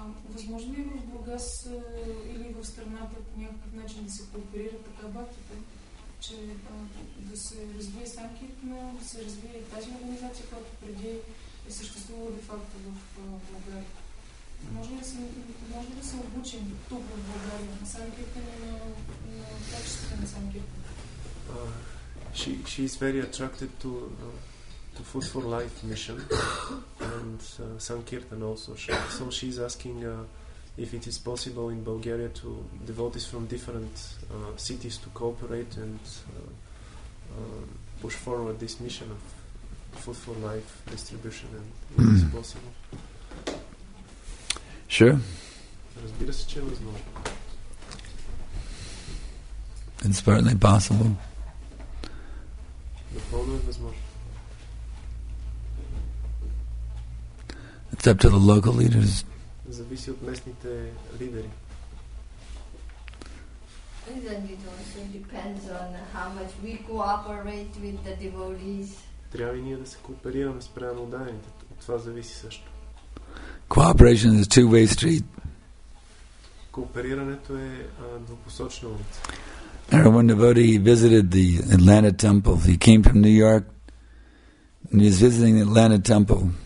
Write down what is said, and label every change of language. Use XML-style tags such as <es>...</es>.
<bg>Възможно ли е в Бургас или в страната по някакъв начин да се кооперират така бактите, че да се развие санкиртана, да се развие тази организация, която преди е съществувала де-факто в България? Може ли да се обучим тук в България на санкиртана и на качеството на санкиртана?</bg> <en>She is very attracted to Food for Life mission and Sankirtan also. So she's asking if it is possible in Bulgaria to devotees from different cities to cooperate and push forward this mission of Food for Life distribution, and if it's possible. Sure.</en> <bg>Разбира се, че е възможно.</bg> <en>It's certainly possible.</en> <bg>Напълно е възможно.</bg> <en>It's up to the local leaders.</en> <bg>Зависи от местните лидери.</bg> <en>Isn't it also depends on how much we cooperate with the devotees?</en> <bg>Трябва и ние да се кооперираме спрямо отдадените. От това зависи също.</bg> <en>Cooperation is a two-way street.</en> <bg>Кооперирането е двупосочна улица.</bg> <en>There was a devotee, he visited the Atlanta temple. He came from New York and he was visiting the Atlanta temple.</en>